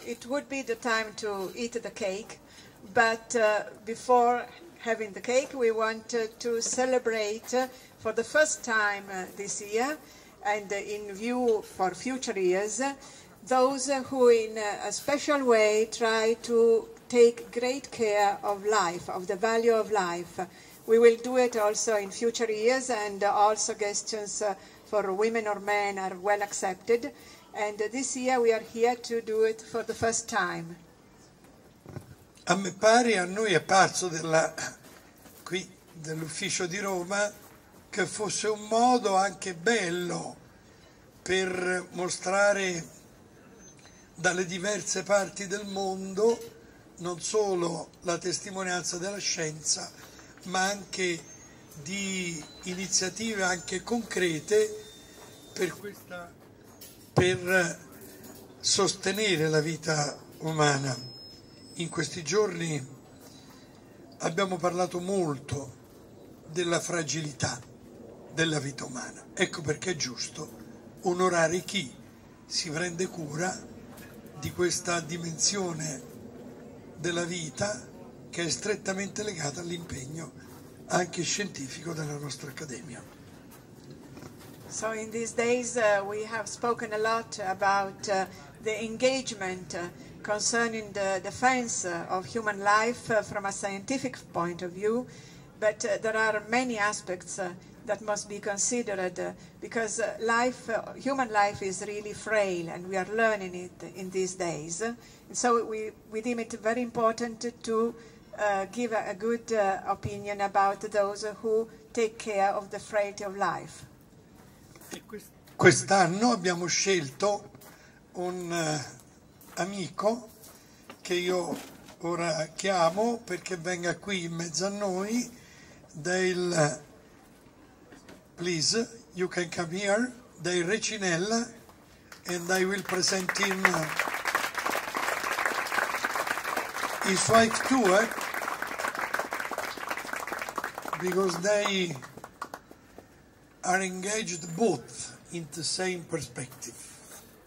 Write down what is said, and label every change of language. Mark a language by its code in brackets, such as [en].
[en] It would be the time to eat the cake, but before having the cake, we want to celebrate for the first time this year and in view for future years, those who in a special way try to take great care of life, of the value of life. We will do it also in future years, and all suggestions for women or men are well accepted. And this year we are here to do it for the first time. [it] A me pare, a noi è parso della, qui dell'ufficio di Roma, che fosse un modo anche bello per mostrare dalle diverse parti del mondo non solo la testimonianza della scienza, ma anche di iniziative anche concrete per sostenere la vita umana. In questi giorni abbiamo parlato molto della fragilità della vita umana. Ecco perché è giusto onorare chi si prende cura di questa dimensione della vita che è strettamente legata all'impegno anche scientifico della nostra Accademia. [en] So in these days we have spoken a lot about the engagement concerning the defense of human life from a scientific point of view, but there are many aspects that must be considered because life, human life is really frail and we are learning it in these days. And so we deem it very important to give a good opinion about those who take care of the frailty of life. [it] Quest'anno abbiamo scelto un amico che io ora chiamo perché venga qui in mezzo a noi del... [en] Please, you can come here, Dale Recinella, and I will present him his wife too, because they are engaged both in the same perspective.